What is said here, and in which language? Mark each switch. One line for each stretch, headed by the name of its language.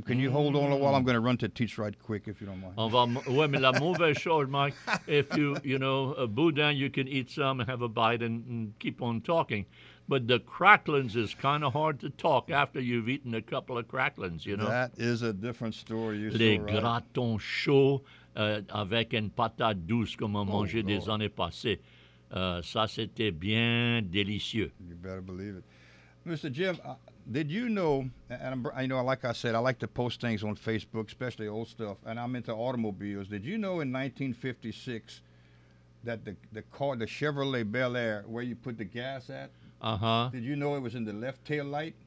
English: Can you hold on a while? I'm going to run to Teats right quick, if you don't mind.
French: Oui, mais la mauvaise chose,
English: Mike, if you know, Boudin, you can eat some and have a bite and keep on talking. But the cracklins is kind of hard to talk after you've eaten a couple of cracklins, you know? That is a different story.
French: Gratons chauds avec une patate douce comme on mangeait des années passées. Ça, c'était bien délicieux.
English: You better believe it. Mr. Jim, did you know, and I like to post things on Facebook, especially old stuff, and I'm into automobiles. Did you know in 1956 that the Chevrolet Bel Air, where you put the gas at, did you know it was in the left tail light?